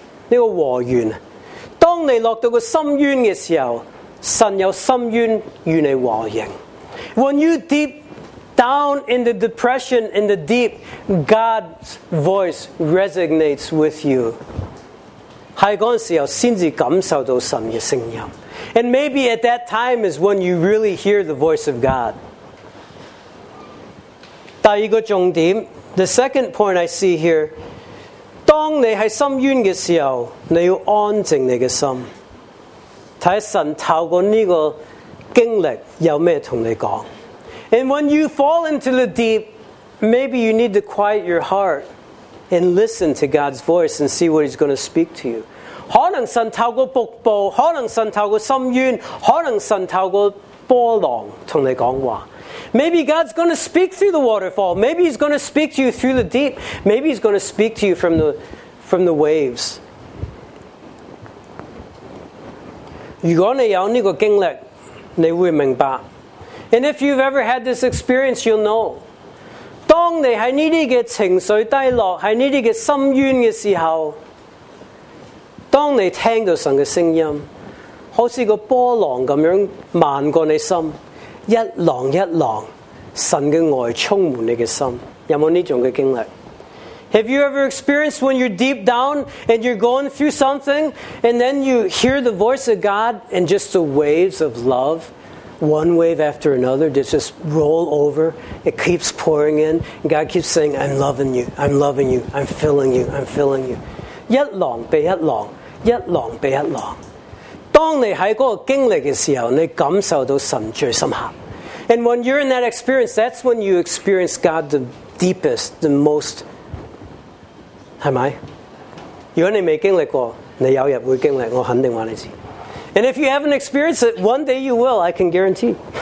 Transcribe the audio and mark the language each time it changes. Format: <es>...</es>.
<zh>这个和弦，当你落到个深渊的时候，神有深渊与你和应。</zh> <en>When you deep down in the depression, in the deep, God's voice resonates with you.</en> <zh>在那时候才能感受到神的声音。</zh> <en>And maybe at that time is when you really hear the voice of God.</en> <zh>第二个重点，</zh> <en>the second point I see here,</en> <zh>当你在深渊的时候，你要安静你的心，看神透过这个经历有什么跟你说。</zh> <en>And when you fall into the deep, maybe you need to quiet your heart and listen to God's voice and see what He's going to speak to you.</en> <zh>可能神透过瀑布，可能神透过深渊，可能神透过波浪跟你讲话。</zh> <en>Maybe God's going to speak through the waterfall. Maybe He's going to speak to you through the deep. Maybe He's going to speak to you from the waves.</en> <zh>如果你有这个经历，你会明白。</zh> <en>And if you've ever had this experience, you'll know.</en> <zh>当你在这些情绪低落，在这些深渊的时候，当你听到神的声音，好像个波浪这样漫过你心。一浪一浪，神的爱充满你的心，有没有这种的经历？</zh> <en>Have you ever experienced when you're deep down and you're going through something and then you hear the voice of God and just the waves of love, one wave after another, just roll over, it keeps pouring in, and God keeps saying, I'm loving you, I'm loving you, I'm filling you, I'm filling you.</en> <zh>一浪比一浪，一浪比一浪。当你在那个经历的时候，你感受到神最深刻。</zh> <en>And when you're in that experience, that's when you experience God the deepest, the most.</en> <zh>是吗？如果你没经历过，你有日会经历，我肯定告诉你。</zh> <en>And if you haven't experienced it, one day you will, I can guarantee.</en>